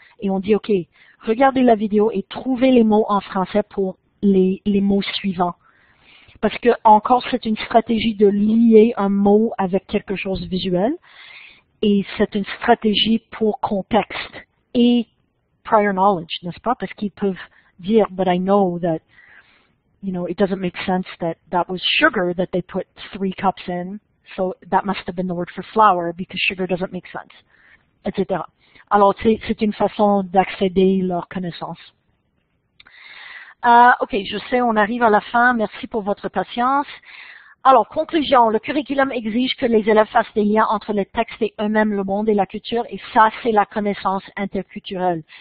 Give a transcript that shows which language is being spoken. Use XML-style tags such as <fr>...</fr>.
<fr>Et on dit, OK, regardez la vidéo et trouvez les mots en français pour les mots suivants. Parce que, encore, c'est une stratégie de lier un mot avec quelque chose de visuel. Et c'est une stratégie pour contexte et</fr> <en>prior knowledge,</en> <fr>n'est-ce pas? Parce qu'ils peuvent dire,</fr> <en>but I know that, you know, it doesn't make sense that that was sugar that they put 3 cups in. So that must have been the word for flour because sugar doesn't make sense, etc.</en> <fr>Alors, c'est une façon d'accéder à leur connaissance. OK, je sais, on arrive à la fin. Merci pour votre patience. Alors, conclusion, le curriculum exige que les élèves fassent des liens entre les textes et eux-mêmes, le monde et la culture, et ça, c'est la connaissance interculturelle.</fr>